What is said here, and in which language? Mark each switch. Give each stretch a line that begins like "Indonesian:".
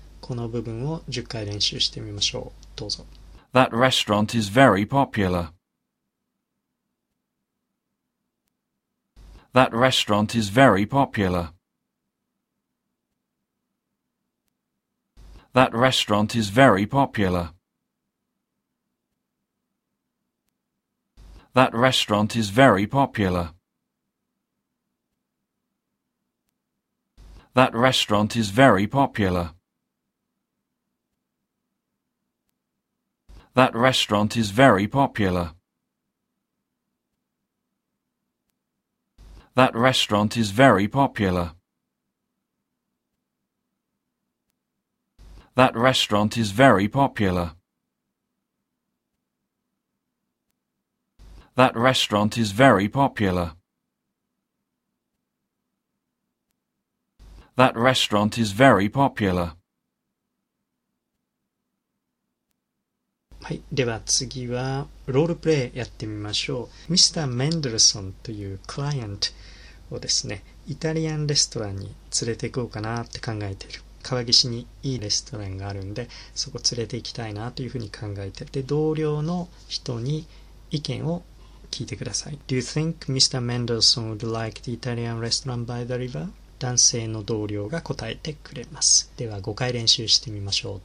Japanese: この部分を10回練習してみましょう。どうぞ。
English: That restaurant is very popular. That restaurant is very popular. That restaurant is very popular. That restaurant is very popular. That restaurant is very popular. That restaurant is very popular. That restaurant is very popular. That restaurant is very popular. That restaurant is very popular. That restaurant is very popular.
Japanese: はい、では次はロールプレイやってみましょう。ミスター・メンデルソンというクライアントをですね、イタリアンレストランに連れて行こうかなって考えている。川岸にいいレストランがあるんで、そこ連れて行きたいなというふうに考えて、で同僚の人に意見を聞いてください。
English: Do you think Mr. Mendelssohn would like the Italian restaurant by the river?
Japanese: 男性の同僚が答えてくれます。では5回練習してみましょう。